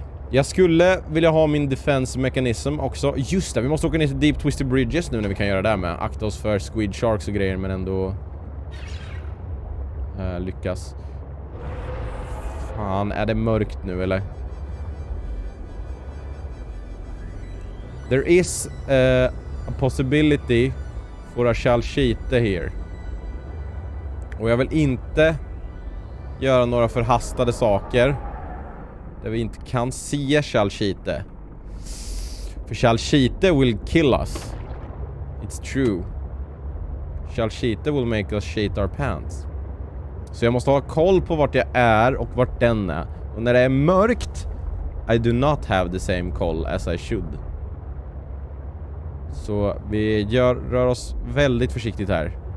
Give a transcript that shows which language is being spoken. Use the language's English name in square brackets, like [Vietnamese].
[Swedish] Jag skulle vilja ha min defense mechanism också. Just det, vi måste åka ner till Deep Twisted Bridges nu när vi kan göra det där med. Akta oss för squid sharks och grejer men ändå lyckas. Fan, är det mörkt nu eller? [English] There is a possibility for a chalchite here. [Swedish] Och jag vill inte göra några förhastade saker där vi inte kan se chalchite. [English] För chalchite will kill us. It's true. Chalchite will make us shit our pants. [Swedish] Så jag måste ha koll på vart jag är och vart den är. Och när det är mörkt, [English] I do not have the same call as I should. [Swedish] Så vi rör oss väldigt försiktigt här.